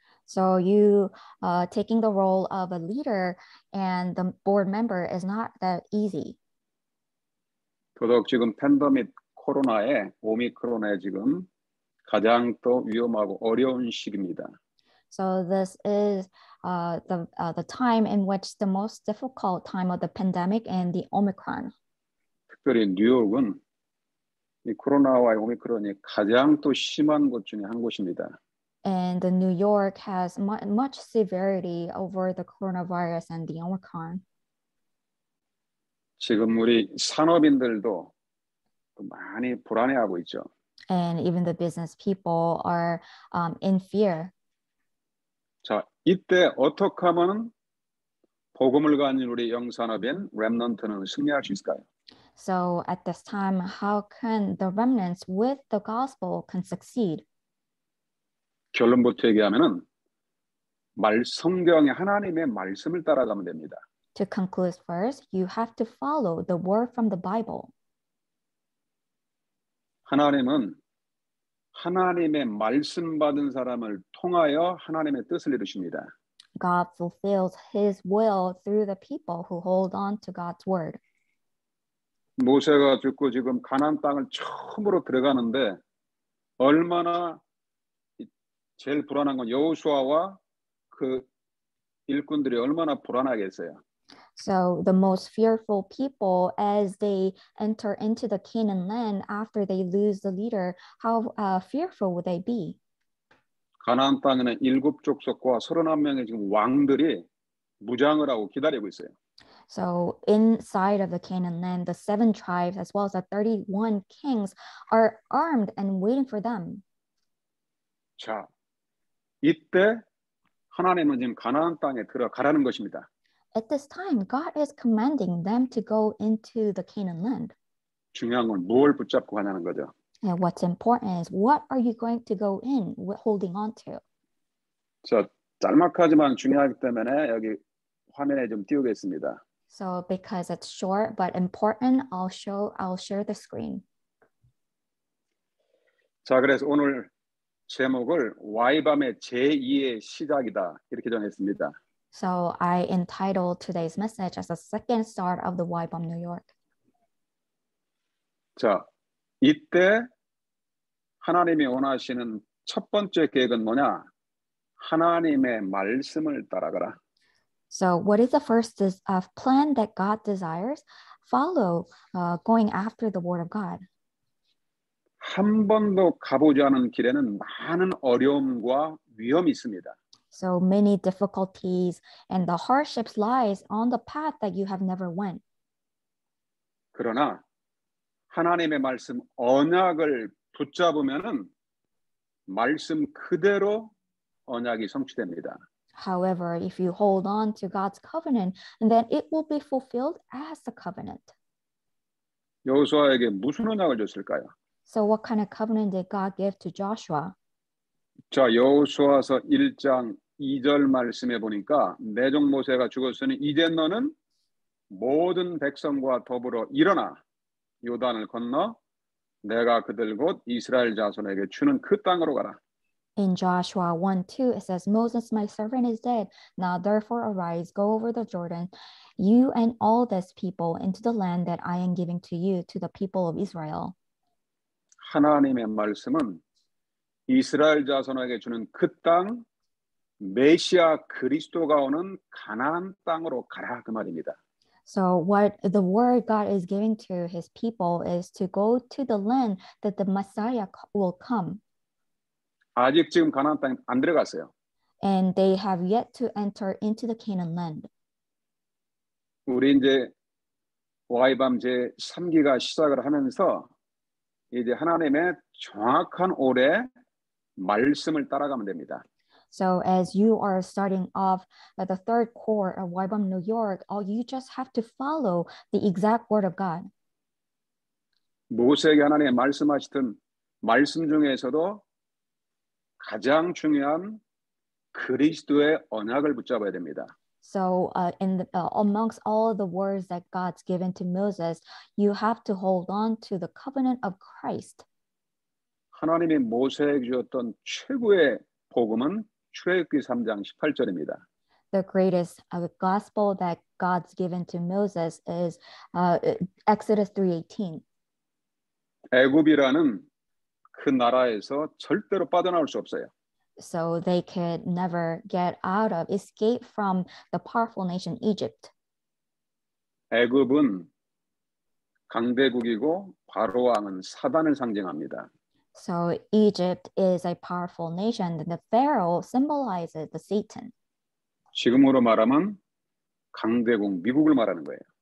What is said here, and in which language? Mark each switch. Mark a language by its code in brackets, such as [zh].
[en] So you taking the role of a leader and the board member is not that easy. [ko] 더더욱 지금 팬데믹 코로나에 오미크론에 지금 가장 또 위험하고 어려운 시기입니다. [en] So this is the time in which the most difficult time of the pandemic and the Omicron. [ko] 특별히 뉴욕은 이 코로나와 오미크론이 가장 또 심한 곳 중에 한 곳입니다. [en] And the New York has much severity over the coronavirus and the Omicron. [ko] 지금 우리 산업인들도 많이 불안해하고 있죠. [en] And even the business people are in fear. [ko] 자, 이때 어떻게 하면 복음을 가진 우리 영산업인 렘넌트는 승리할 수 있을까요? [en] So at this time, how can the remnants with the gospel can succeed? [ko] 결론부터 얘기하면은 성경의 하나님의 말씀을 따라가면 됩니다. [en] To conclude first, you have to follow the word from the Bible. [ko] 하나님은 하나님의 말씀 받은 사람을 통하여 하나님의 뜻을 이루십니다. [en] God fulfills his will through the people who hold on to God's word. [ko] 모세가 죽고 지금 가나안 땅을 처음으로 들어가는데 얼마나 제일 불안한 건 여호수아와 그 일꾼들이 얼마나 불안하겠어요. [en] So the most fearful people as they enter into the Canaan land after they lose the leader, how fearful would they be? [ko] 가나안 땅에는 일곱 족속과 31명의 지금 왕들이 무장을 하고 기다리고 있어요. [en] So inside of the Canaan land, the seven tribes as well as the 31 kings are armed and waiting for them. [ko] 자, 이때 하나님은 지금 가나안 땅에 들어가라는 것입니다. [en] At this time, God is commanding them to go into the Canaan land. [ko] 중요한 건 뭘 붙잡고 가냐는 거죠. [en] And what's important is what are you going to go in holding on to? [ko] 자, 짤막하지만 중요하기 때문에 여기 화면에 좀 띄우겠습니다. [en] So because it's short but important, I'll share the screen. [ko] 자, 그래서 오늘 제목을 YBAWM의 제2의 시작이다 이렇게 정했습니다. [en] So I entitled today's message as the second start of the YBAWM New York. [ko] 자, 이때 하나님이 원하시는 첫 번째 계획은 뭐냐? 하나님의 말씀을 따라가라. [en] So what is the first plan that God desires? Follow going after the word of God. [ko] 한 번도 가보지 않은 길에는 많은 어려움과 위험이 있습니다. [en] So many difficulties and the hardships lies on the path that you have never went. [ko] 그러나 하나님의 말씀 언약을 붙잡으면은 말씀 그대로 언약이 성취됩니다. [en] However, if you hold on to God's covenant, then it will be fulfilled as the covenant. [ko] 여호수아에게 무슨 언약을 줬을까요? [en] So what kind of covenant did God give to Joshua? [ko] 자, 여호수아서 1장 2절 말씀에 보니까 내 종 모세가 죽었으니 이제 너는 모든 백성과 더불어 일어나 요단을 건너 내가 그들 곧 이스라엘 자손에게 주는 그 땅으로 가라. [en] In Joshua 1:2 it says, Moses, my servant, is dead. Now therefore arise, go over the Jordan, you and all this people, into the land that I am giving to you, to the people of Israel. [ko] 하나님의 말씀은 이스라엘 자손에게 주는 그 땅, 메시아 그리스도가 오는 가나안 땅으로 가라 그 말입니다. [en] So what the word God is giving to his people is to go to the land that the Messiah will come. [ko] 아직 지금 가나안 땅 안 들어갔어요. [en] And they have yet to enter into the Canaan land. [ko] 우리 이제 YBAWM 제 3기가 시작을 하면서 이제 하나님의 정확한 올해 말씀을 따라가면 됩니다. [en] So as you are starting off at the third core of YBAWM New York, all you just have to follow the exact word of God. [ko] 모세에게 하나님 말씀하시던 말씀 중에서도 가장 중요한 그리스도의 언약을 붙잡아야 됩니다. [en] So amongst all the words that God's given to Moses, you have to hold on to the covenant of Christ. [ko] 하나님이 모세에게 주었던 최고의 복음은 출애굽기 3장 18절입니다. [en] The greatest gospel that God's given to Moses is Exodus 3:18. [ko] 애굽이라는 그 나라에서 절대로 빠져나올 수 없어요. [en] So they could never get out of, escape from the powerful nation Egypt. [ko] 애굽은 강대국이고 바로왕은 사단을 상징합니다. [en] So Egypt is a powerful nation, and the Pharaoh symbolizes the Satan. [ko] 지금으로 말하면 강대국 미국을 말하는 거예요.